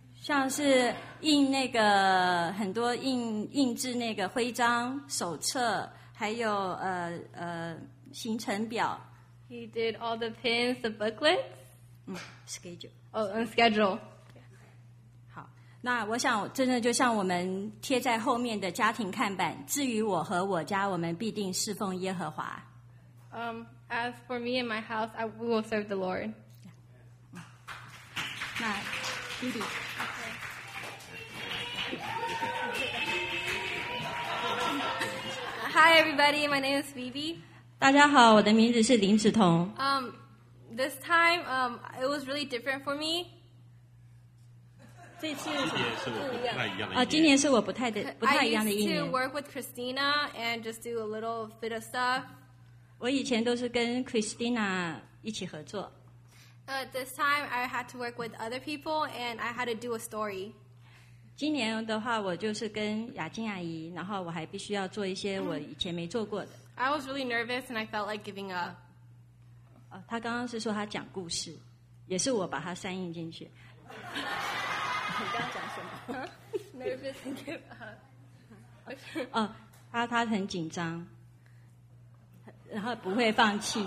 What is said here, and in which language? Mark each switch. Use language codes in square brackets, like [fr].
[zh] 像是印那个很多印制那个徽章、手册，还有行程表。 [en] He did all the pins, the booklets. Schedule. Oh, and schedule. [zh] 好，那我想真的就像我们贴在后面的家庭看板。至于我和我家，我们必定侍奉耶和华。 [en] As for me and my house, I will serve the Lord. [zh] 那弟弟。 [en] Hi, everybody. My name is Phoebe. [zh] 大家好，我的名字是林子彤。 [en] This time, it was really different for me. [zh] 这次是我不太一样的。今年是我不太一样的一年。 [en] I used to work with Christina and just do a little bit of stuff. [zh] 我以前都是跟 Christina 一起合作。 [en] This time, I had to work with other people and I had to do a story. [zh] 今年的话，我就是跟雅静阿姨，然后我还必须要做一些我以前没做过的。 [en] I was really nervous and I felt like giving up. [zh] 他刚刚是说他讲故事，也是我把他删印进去。你刚刚讲什么 [en] ？Nervous and give up. [zh] 他很紧张，然后不会放弃。